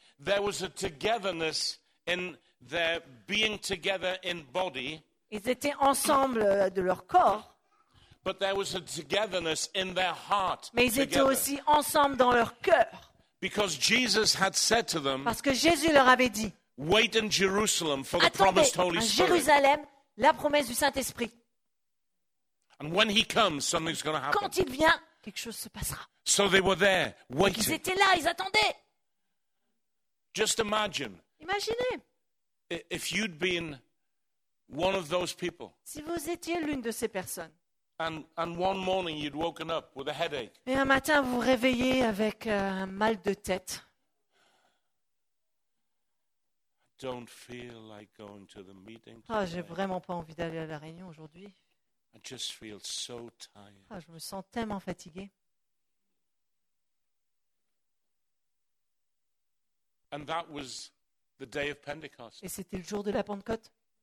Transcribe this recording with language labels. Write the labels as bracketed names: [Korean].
[English] There was a togetherness in their being together in body. [French] Ils étaient ensemble de leur corps. [English] But there was a togetherness in their heart. [French] Mais ils étaient aussi ensemble dans leur cœur. [English] Because Jesus had said to them. [French] Parce que Jésus leur avait dit. [English] Wait in Jerusalem for the promised Holy Spirit. [French] À Jérusalem, la promesse du Saint-Esprit. [English] And when he comes, something's going to happen. [French] Quand il vient, quelque chose se passera. [English] So they were there, waiting. [French] Ils étaient là, ils attendaient. [English] Just imagine. [French] Imaginez. [English] If you'd been one of those people. [French] Si vous étiez l'une de ces personnes. [English] And one morning you'd woken up with a headache. [French] Et un matin vous réveillez avec un mal de tête. [English] I don't feel like going to the meeting. [French] Ah, oh, j'ai vraiment pas envie d'aller à la réunion aujourd'hui. [English] I just feel so tired. [French] Ah, je me sens tellement fatiguée. [English] And that was the day of Pentecost. [French] Et c'était le jour de la Pentecôte.